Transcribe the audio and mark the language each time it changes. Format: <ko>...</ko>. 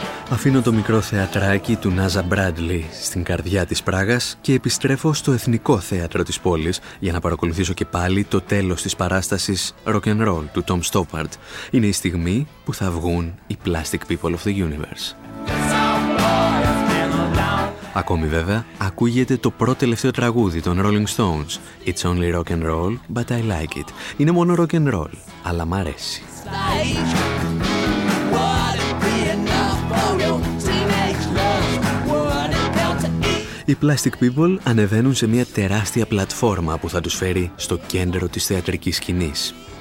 <el>Αφήνω το μικρό θεατράκι του Νάζα Μπράντλι στην καρδιά της Πράγας και επιστρέφω στο Εθνικό Θέατρο της πόλης για να παρακολουθήσω και πάλι το τέλος της παράστασης Rock'n'Roll του Tom Stoppard. Είναι η στιγμή που θα βγουν οι Plastic People of the Universe. Ακόμη βέβαια, ακούγεται το πρώτο τελευταίο τραγούδι των Rolling Stones.</el> <en>It's only rock'n'roll, but I like it.</en> <el>Είναι μόνο rock'n'roll, αλλά μ' αρέσει. Οι Plastic People ανεβαίνουν σε μια τεράστια πλατφόρμα που θα τους φέρει στο κέντρο της θεατρικής σκηνής.</el>